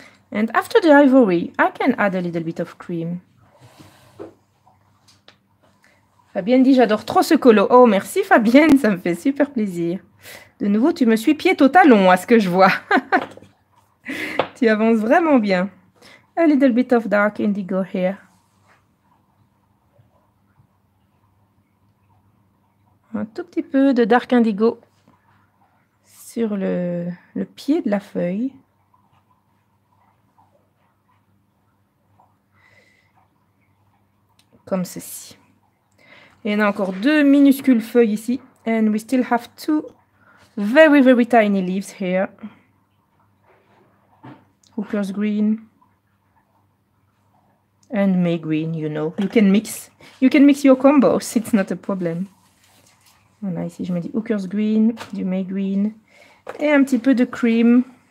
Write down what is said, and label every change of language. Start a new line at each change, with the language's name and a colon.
English: And after the ivory, I can add a little bit of cream.
French: Fabienne dit, j'adore trop ce colo. Oh, merci Fabienne, ça me fait super plaisir. De nouveau, tu me suis pied au talon, à ce que je vois. Tu avances vraiment bien.
English: A little bit of dark indigo here.
French: Un tout petit peu de dark indigo sur le pied de la feuille. Comme ceci. Et on a encore deux minuscules feuilles ici.
English: And we still have two very, very tiny leaves here. Hooker's green. And May green, you know. You can mix your combos. It's not a problem.
French: Voilà, ici, je me dis Hooker's green, du May green. Et un petit peu de cream.